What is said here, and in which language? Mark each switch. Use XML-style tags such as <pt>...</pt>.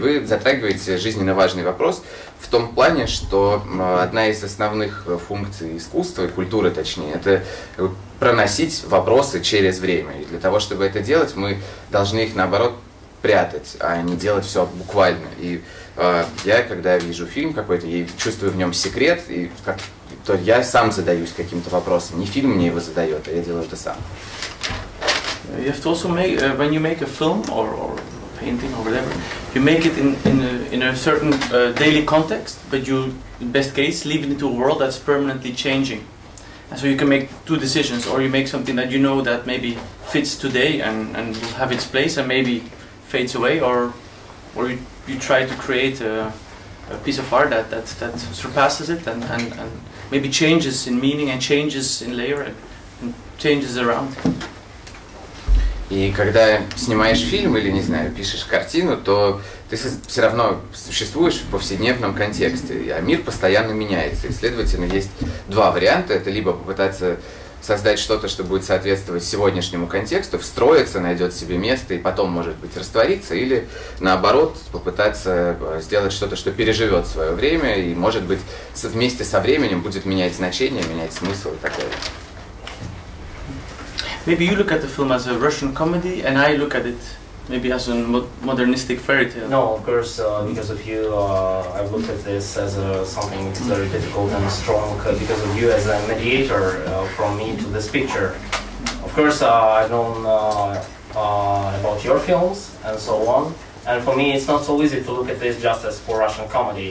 <ru>Вы затрагиваете жизненно важный вопрос в том плане, что одна из основных функций искусства и культуры, точнее, это проносить вопросы через время. И для того, чтобы это делать, мы должны их, наоборот, прятать, а не делать все буквально. И я, когда вижу фильм какой-то, я чувствую в нем секрет, и как, то я сам задаюсь каким-то вопросом. Не фильм мне его задает, а я делаю это сам.</ru> <en>You have to also make, when you make a film or painting or whatever, you make it in a certain daily context, but you, in best case, leave it into a world that's permanently changing. And so you can make two decisions, or you make something that you know that maybe fits today and will have its place and maybe fades away, or you try to create a piece of art that surpasses it and maybe changes in meaning and changes in layer and changes around.</en> <ru>И когда снимаешь фильм или, не знаю, пишешь картину, то ты все равно существуешь в повседневном контексте, а мир постоянно меняется. И, следовательно, есть два варианта. Это либо попытаться создать что-то, что будет соответствовать сегодняшнему контексту, встроиться, найдет себе место и потом, может быть, раствориться, или наоборот, попытаться сделать что-то, что переживет свое время и, может быть, вместе со временем будет менять значение, менять смысл и так далее.</ru> <en>Maybe you look at the film as a Russian comedy, and I look at it maybe as a modernistic fairy tale. No, of course, because of you, I've looked at this as something very difficult and strong, because of you as a mediator from me to this picture. Of course, I've known about your films and so on, and for me it's not so easy to look at this just as for Russian comedy.</en>